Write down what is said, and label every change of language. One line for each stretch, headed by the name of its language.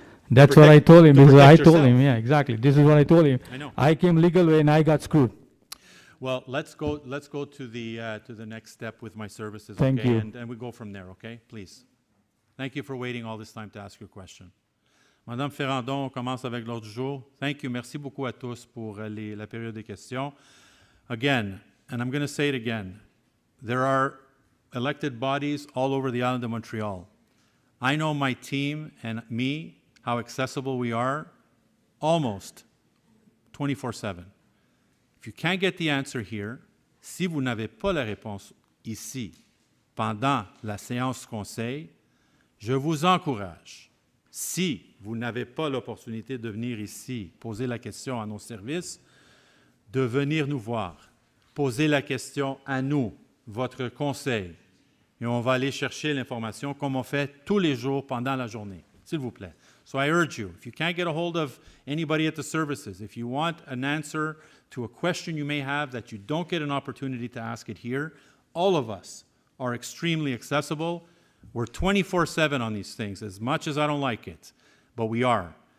English: That's what I told him. Yeah, exactly. This is what I told him. I know. I came legal way and I got screwed. Well, let's go to the next step with my services. Thank okay? you. And we go from there, okay? Please. Thank you for waiting all this time to ask your question.
French: Madame Ferrandon, on commence avec l'ordre du jour.
English: Thank you.
French: Merci beaucoup à tous pour la période des questions.
English: Again, and I'm going to say it again, there are elected bodies all over the island of Montreal. I know my team and me, how accessible we are, almost 24/7. If you can't get the answer here,
French: si vous n'avez pas la réponse ici, pendant la séance conseil, je vous encourage, si vous n'avez pas l'opportunité de venir ici poser la question à nos services, de venir nous voir. Posez la question à nous, votre conseil, et on va aller chercher l'information comme on fait tous les jours pendant la journée, s'il vous plaît.
English: So I urge you, if you can't get a hold of anybody at the services, if you want an answer to a question you may have that you don't get an opportunity to ask it here, all of us are extremely accessible. We're 24/7 on these things, as much as I don't like it, but we are.